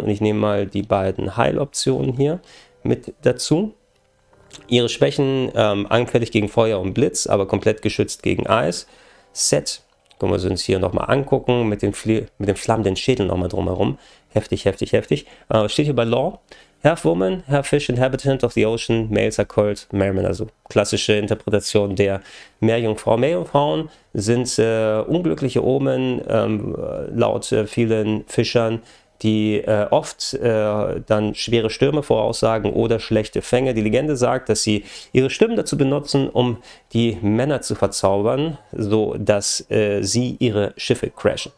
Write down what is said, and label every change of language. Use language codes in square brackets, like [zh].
[de] Und ich nehme mal die beiden Heiloptionen hier mit dazu. Ihre Schwächen, anfällig gegen Feuer und Blitz, aber komplett geschützt gegen Eis. Set, können wir uns hier nochmal angucken, mit dem flammenden Schädel nochmal drumherum. Heftig, heftig, heftig. Steht hier bei Law. [en] Half Woman, Half Fish, Inhabitant of the Ocean, Males are called Mermen. [de] Also klassische Interpretation der Meerjungfrau. Meerjungfrauen sind unglückliche Omen, laut vielen Fischern, die oft dann schwere Stürme voraussagen oder schlechte Fänge. Die Legende sagt, dass sie ihre Stimmen dazu benutzen, um die Männer zu verzaubern, sodass sie ihre Schiffe crashen.